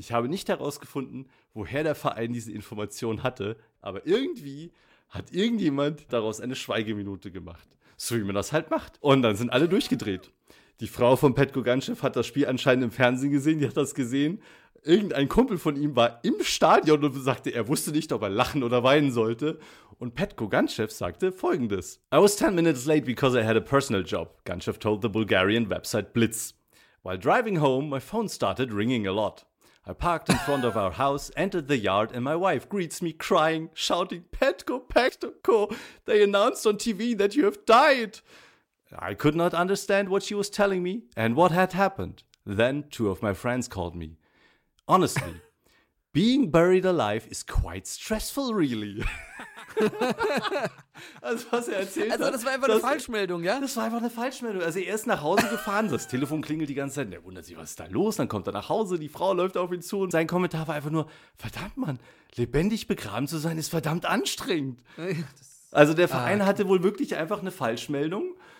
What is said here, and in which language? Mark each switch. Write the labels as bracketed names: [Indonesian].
[German] Ich habe nicht herausgefunden, woher der Verein diese Information hatte, aber irgendwie hat irgendjemand daraus eine Schweigeminute gemacht. So wie man das halt macht. Und dann sind alle durchgedreht. Die Frau von Petko Gantschew hat das Spiel anscheinend im Fernsehen gesehen, die hat das gesehen. Irgendein Kumpel von ihm war im Stadion und sagte, er wusste nicht, ob er lachen oder weinen sollte. Und Petko Gantschew sagte folgendes. [English] I was 10 minutes late because I had a personal job, Gantschew told the Bulgarian website Blitz. While driving home, my phone started ringing a lot. I parked in front of our house, entered the yard and my wife greets me crying, shouting, Petko, Petko, they announced on TV that you have died. I could not understand what she was telling me and what had happened. Then two of my friends called me. Honestly, being buried alive is quite stressful, really. [German] Also, was er erzählt hat. Also, das war einfach eine Falschmeldung, ja? Das war einfach eine Falschmeldung. Also, er ist nach Hause gefahren, das Telefon klingelt die ganze Zeit. Der wundert sich, was ist da los? Dann kommt er nach Hause, die Frau läuft auf ihn zu. Und sein Kommentar war einfach nur, verdammt, Mann, lebendig begraben zu sein, ist verdammt anstrengend. Also, der Verein hatte wohl wirklich einfach eine Falschmeldung.